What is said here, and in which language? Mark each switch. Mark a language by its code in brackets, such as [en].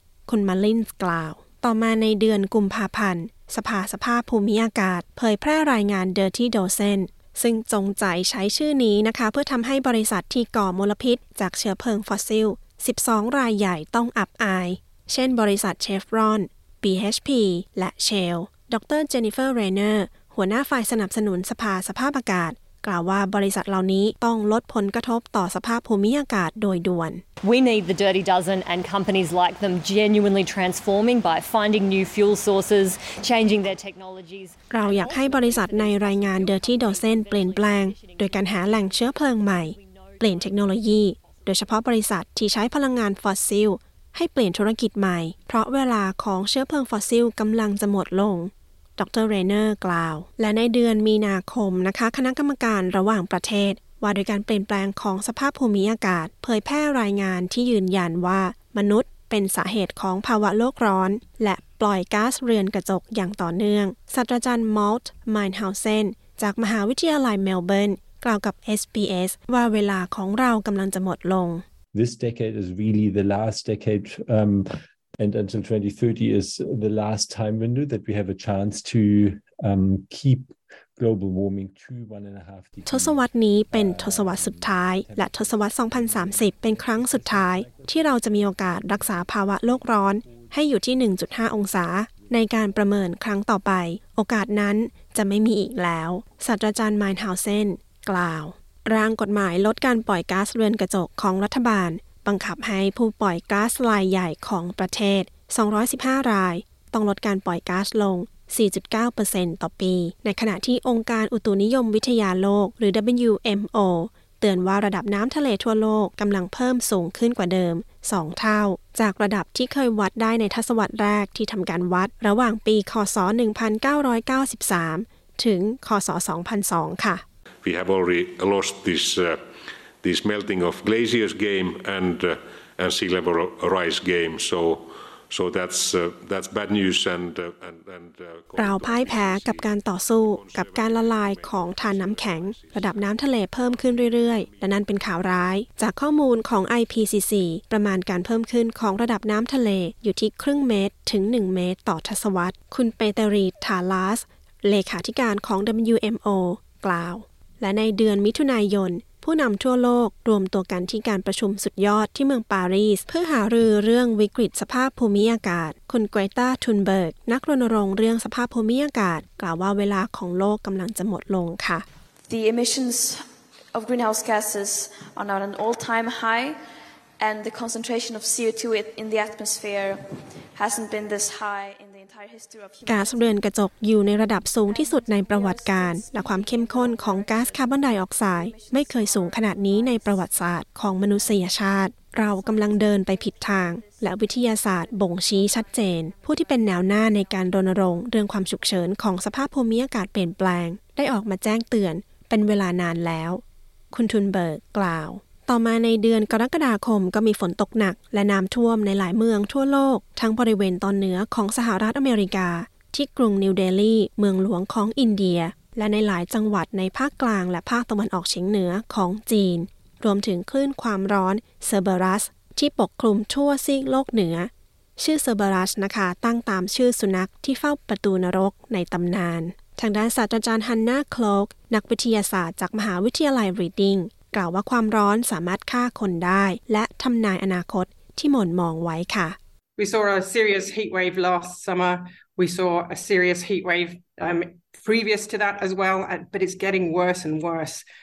[th] คุณมาลินส์กล่าวต่อมาในเดือนกุมภาพันธ์สภาพภูมิอากาศเผยแพร่รายงาน Dirty Dozen ซึ่งจงใจใช้ชื่อนี้นะคะเพื่อทำให้บริษัทที่ก่อมลพิษจากเชื้อเพลิงฟอสซิล12รายใหญ่ต้องอับอายเช่นบริษัทเชฟรอนBHP และ Shell ดร.เจนนิเฟอร์เรเนอร์หัวหน้าฝ่ายสนับสนุนสภาสภาพอากาศกล่าวว่าบริษัทเหล่านี้ต้องลดผลกระทบต่อสภาพภูมิอากาศโดยด่วน [en] We need the Dirty Dozen and companies like them genuinely transforming by finding new fuel sources, changing their technologies [th] เราอยากให้บริษัทในรายงาน Dirty Dozen เปลี่ยนแปลงโดยการหาแหล่งเชื้อเพลิงใหม่เปลี่ยนเทคโนโลยีโดยเฉพาะบริษัทที่ใช้พลังงานฟอสซิลให้เปลี่ยนธุรกิจใหม่เพราะเวลาของเชื้อเพลิงฟอสซิลกำลังจะหมดลง ดร.เรเนอร์กล่าวและในเดือนมีนาคมนะคะคณะกรรมการระหว่างประเทศว่าโดยการเปลี่ยนแปลงของสภาพภูมิอากาศเผยแพร่รายงานที่ยืนยันว่ามนุษย์เป็นสาเหตุของภาวะโลกร้อนและปล่อยก๊าซเรือนกระจกอย่างต่อเนื่องศาสตราจารย์มอลต์มายน์เฮาเซนจากมหาวิทยาลัยเมลเบิร์นกล่าวกับ SBS ว่าเวลาของเรากำลังจะหมดลง [en] This decade is really the last decade, and until 2030 is the last time window that we have a chance to keep global warming to 1.5 degrees. [th] ทศวรรษนี้เป็นทศวรรษสุดท้ายและทศวรรษ2030เป็นครั้งสุดท้ายที่เราจะมีโอกาสรักษาภาวะโลกร้อนให้อยู่ที่ 1.5 องศาในการประเมินครั้งต่อไปโอกาสนั้นจะไม่มีอีกแล้วศาสตราจารย์มายน์เฮาเซนกล่าวร่างกฎหมายลดการปล่อยก๊าซเรือนกระจกของรัฐบาลบังคับให้ผู้ปล่อยก๊าซรายใหญ่ของประเทศ215รายต้องลดการปล่อยก๊าซลง 4.9% ต่อปีในขณะที่องค์การอุตุนิยมวิทยาโลกหรือ WMO เตือนว่าระดับน้ำทะเลทั่วโลกกำลังเพิ่มสูงขึ้นกว่าเดิม2เท่าจากระดับที่เคยวัดได้ในทศวรรษแรกที่ทำการวัดระหว่างปีค.ศ. 1993ถึงค.ศ. 2002ค่ะ [en] We have already lost this melting of glaciers game and sea level rise game. So that's bad news. And [th] เราพ่ายแพ้กับการต่อสู้กับการละลายของธารน้ำแข็งระดับน้ำทะเลเพิ่มขึ้นเรื่อยๆและนั่นเป็นข่าวร้ายจากข้อมูลของ IPCC ประมาณการเพิ่มขึ้นของระดับน้ำทะเลอยู่ที่ครึ่งเมตรถึง1เมตรต่อทศวรรษคุณเปเตรีทาลาสเลขาธิการของ WMO กล่าวและในเดือนมิถุนายนผู้นำทั่วโลกรวมตัวกันที่การประชุมสุดยอดที่เมืองปารีสเพื่อหารือเรื่องวิกฤตสภาพภูมิอากาศคุณเกรตาทุนเบิร์กนักรณรงค์เรื่องสภาพภูมิอากาศกล่าวว่าเวลาของโลกกำลังจะหมดลงค่ะ [en] The emissions of greenhouse gases are now at an all-time high and the concentration of CO2 in the atmosphere hasn't been this high in [th] ก๊าซเรือนกระจกอยู่ในระดับสูงที่สุดในประวัติการและความเข้มข้นของก๊าซคาร์บอนไดออกไซด์ไม่เคยสูงขนาดนี้ในประวัติศาสตร์ของมนุษยชาติเรากำลังเดินไปผิดทางและวิทยาศาสตร์บ่งชี้ชัดเจนผู้ที่เป็นแนวหน้าในการรณรงค์เรื่องความฉุกเฉินของสภาพภูมิอากาศเปลี่ยนแปลงได้ออกมาแจ้งเตือนเป็นเวลานานแล้ว คุณทุนเบิร์กกล่าวต่อมาในเดือนกรกฎาคมก็มีฝนตกหนักและน้ำท่วมในหลายเมืองทั่วโลกทั้งบริเวณตอนเหนือของสหรัฐอเมริกาที่กรุงนิวเดลีเมืองหลวงของอินเดียและในหลายจังหวัดในภาคกลางและภาคตะวันออกเฉียงเหนือของจีนรวมถึงคลื่นความร้อนเซอร์เบอรัสที่ปกคลุมทั่วซีกโลกเหนือ ชื่อเซอร์เบรัสนะคะตั้งตามชื่อสุนัขที่เฝ้าประตูนรกในตำนานทางด้านศาสตราจารย์ฮันนาคลอกนักวิทยาศาสตร์จากมหาวิทยาลัยรีดดิ้งกล่าวว่าความร้อนสามารถฆ่าคนได้และทำนายอนาคตที่หม่นมองไว้ค่ะ [en] We saw a serious heat wave last summer. We saw a serious heat wave previous to that as well, but it's getting worse and worse.